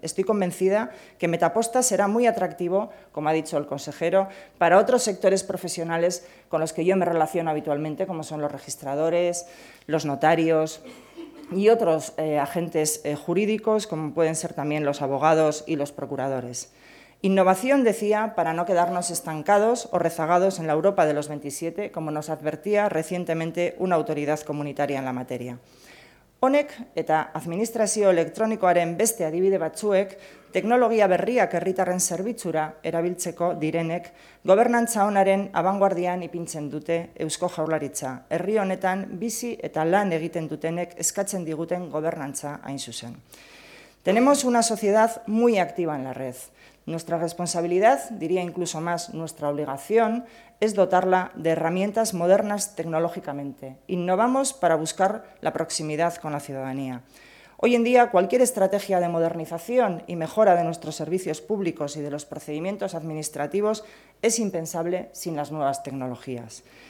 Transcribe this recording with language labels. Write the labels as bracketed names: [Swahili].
[Spanish] Estoy convencida que Metaposta será muy atractivo, como ha dicho el consejero, para otros sectores profesionales con los que yo me relaciono habitualmente, como son los registradores, los notarios y otros agentes jurídicos, como pueden ser también los abogados y los procuradores. Innovación, decía, para no quedarnos estancados o rezagados en la Europa de los 27, como nos advertía recientemente una autoridad comunitaria en la materia. [Basque] Honek eta administrazio elektronikoaren beste adibide batzuek, teknologia berriak herritarren zerbitzura erabiltzeko direnek, gobernantza onaren abanguardian ipintzen dute Eusko Jaurlaritza, herri honetan bizi eta lan egiten dutenek eskatzen diguten gobernantza hain zuzen. [Spanish] Tenemos una sociedad muy activa en la red. Nuestra responsabilidad, diría incluso más nuestra obligación, es dotarla de herramientas modernas tecnológicamente. Innovamos para buscar la proximidad con la ciudadanía. Hoy en día, cualquier estrategia de modernización y mejora de nuestros servicios públicos y de los procedimientos administrativos es impensable sin las nuevas tecnologías.